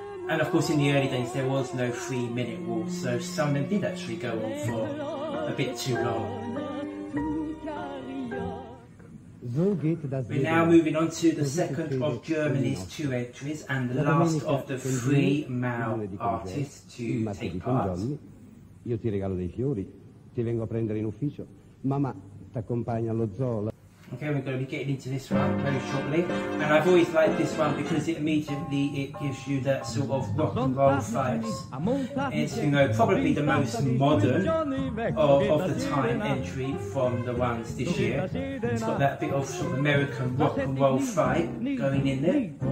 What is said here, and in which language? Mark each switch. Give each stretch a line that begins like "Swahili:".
English: And of course in the early days there was no 3-minute rule, so some of them did actually go on for a bit too long. We're now moving on to the second of Germany's two entries and the last of the three male artists to take part.
Italian: Io ti regalo dei fiori, ti vengo a prendere in ufficio, mamma t'accompagna allo zoo.
English: Okay, we're going to be getting into this one very shortly, and I've always liked this one because it immediately gives you that sort of rock and roll vibes. It's, you know, probably the most modern of the time entry from the ones this year. It's got that bit of sort of American rock and roll vibe going in there.